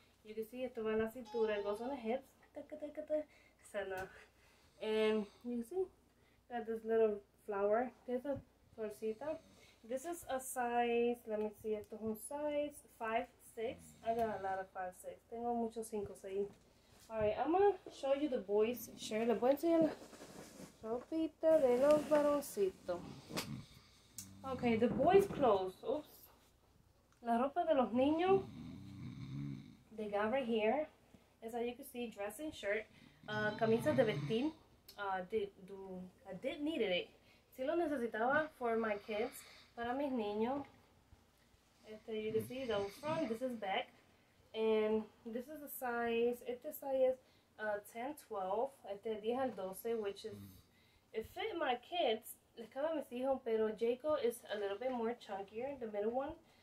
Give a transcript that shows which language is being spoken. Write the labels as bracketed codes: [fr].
[en] You can see it on the cintura, it goes on the hips. Sana. And you see, got this little flower. There's a florcita. This is a size, let me see, it's a size 5'6". I got a lot of 5'6". [es] Tengo muchos 5'6". [en] Alright, I'm going to show you the boys' shirt. [es] Le voy a enseñar la ropita de los varoncitos. [en] Okay, the boys' clothes. Oops. [es] La ropa de los niños. [en] They got right here, as you can see, dressing shirt, [es] camisa de vestir. [en] I did need it. [es] Si lo necesitaba [en] for my kids, [es] para mis niños. [en] Este, you can see the front, this is back. And this is a size, este size is 10-12, este 10-12, which is, it fit my kids. [es] Les cabe a mis hijos, pero [en] Jacob is a little bit more chunkier, the middle one.